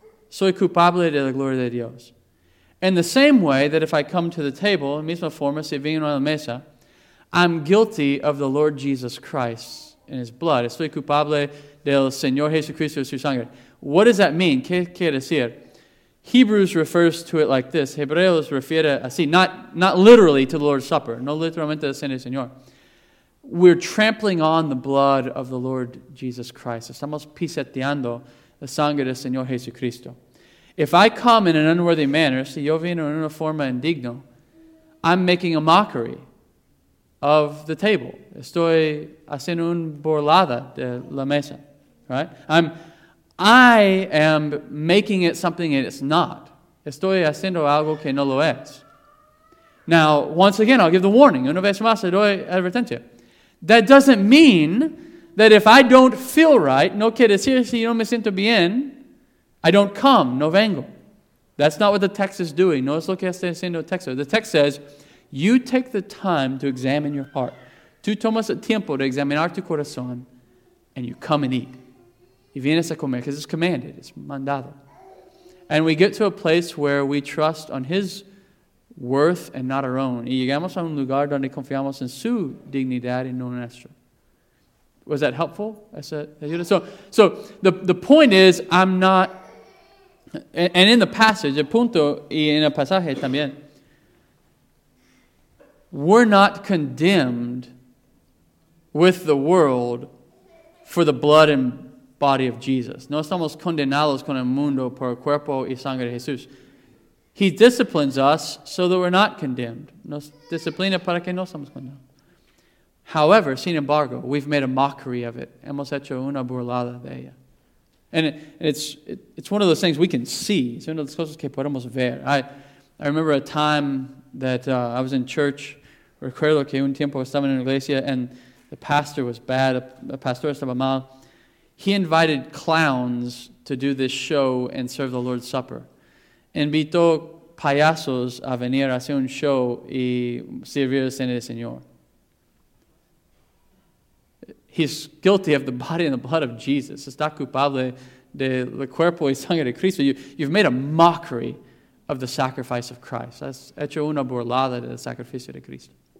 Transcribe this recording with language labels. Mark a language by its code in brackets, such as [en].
[es] Soy culpable de la gloria de Dios. [en] In the same way that if I come to the table, [es] misma forma, si vino a la mesa, [en] I'm guilty of the Lord Jesus Christ and his blood. [es] Estoy culpable del Señor Jesucristo y su sangre. [en] What does that mean? [es] ¿Qué quiere decir? [en] Hebrews refers to it like this. [es] Hebreos refiere así, [en] not literally to the Lord's Supper. [es] No literalmente al Señor. [en] We're trampling on the blood of the Lord Jesus Christ. [es] Estamos pisoteando la sangre del Señor Jesucristo. [en] If I come in an unworthy manner, [es] si yo vino en una forma indigno, [en] I'm making a mockery of the table. [es] Estoy haciendo un burlada de la mesa, [en] right? I am making it something it's not. [es] Estoy haciendo algo que no lo es. [en] Now, once again, I'll give the warning. [es] Una vez más, doy advertencia. [en] That doesn't mean that if I don't feel right, [es] no quiere decir si yo no me siento bien, [en] I don't come, [es] no vengo. [en] That's not what the text is doing. [es] No es lo que está haciendo el texto. [en] The text says, you take the time to examine your heart. [es] Tú tomas el tiempo de examinar tu corazón, [en] and you come and eat. Y vienes a comer, because it's commanded, it's mandado. And we get to a place where we trust on His worth and not our own. [es] Y llegamos a un lugar donde confiamos en su dignidad y no nuestra. [en] Was that helpful? So the point is, I'm not, and in the passage, [es] el punto y en el pasaje también, [en] we're not condemned with the world for the blood and body of Jesus. [es] No estamos condenados con el mundo por el cuerpo y sangre de Jesús. [en] He disciplines us so that we're not condemned. [es] Nos disciplina para que no somos condenados. [en] However, [es] sin embargo, [en] we've made a mockery of it. [es] Hemos hecho una burlada de ella. [en] And it's one of those things we can see. [es] Es una de las cosas que podemos ver. [en] I remember a time that I was in church. [es] Recuerdo que un tiempo estaba en la iglesia [en] and the pastor was bad. [es] The pastor estaba mal. [en] He invited clowns to do this show and serve the Lord's Supper. [es] Invitó payasos a venir a hacer un show y servir al Cena del Señor. [en] He's guilty of the body and the blood of Jesus. [es] Está culpable de el cuerpo y sangre de Cristo. [en] You've made a mockery of the sacrifice of Christ. [es] Has hecho una burlada del sacrificio de Cristo.